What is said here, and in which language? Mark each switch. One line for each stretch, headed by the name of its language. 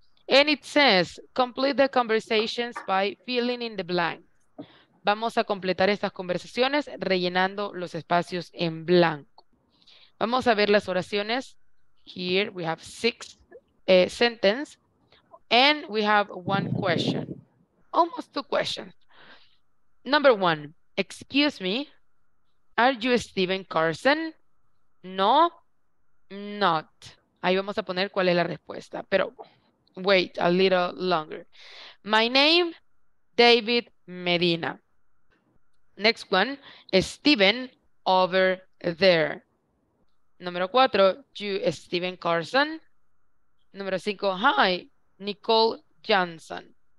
English: And it says, complete the conversations by filling in the blanks.
Spanish: Vamos a completar estas conversaciones rellenando los espacios en blanco. Vamos a ver las oraciones.
English: Here we have six sentences. And we have one question, almost two questions. Number one, excuse me, are you Steven Carson? No, not.
Spanish: Ahí vamos a poner cuál es la respuesta, pero
English: wait a little longer. My name, David Medina. Next one, Steven over there.
Spanish: Número cuatro,
English: you Steven Carson?
Spanish: Número cinco, hi, Nicole Johnson.